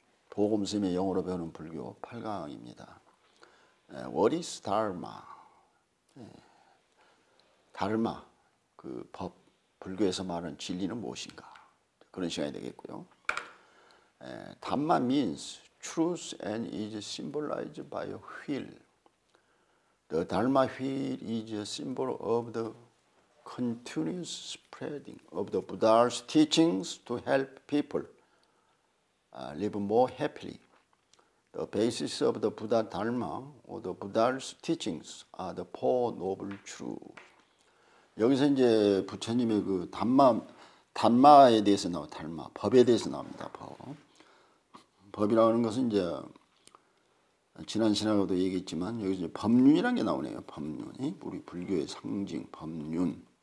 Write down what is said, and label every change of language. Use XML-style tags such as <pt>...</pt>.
<ko>보금심의 영어로 배우는 불교 8강입니다.</ko> <en>What is Dharma?</en> <ko>다르마, 그 법, 불교에서 말하는 진리는 무엇인가? 그런 시간이 되겠고요.</ko> <en>Dharma means truth and is symbolized by a wheel. The Dharma wheel is a symbol of the continuous spreading of the Buddha's teachings to help people. Live more happily. The basis of the Buddha Dharma or the Buddha's teachings are the four noble truths.</en> <ko>여기서 이제 부처님의 그 담마에 대해서 나와, 담마 법에 대해서 나옵니다. 법이라는 것은 이제 지난 시간에도 얘기했지만 여기서 이제 법륜이라는 게 나오네요. 법륜이 우리 불교의 상징, 법륜.</ko>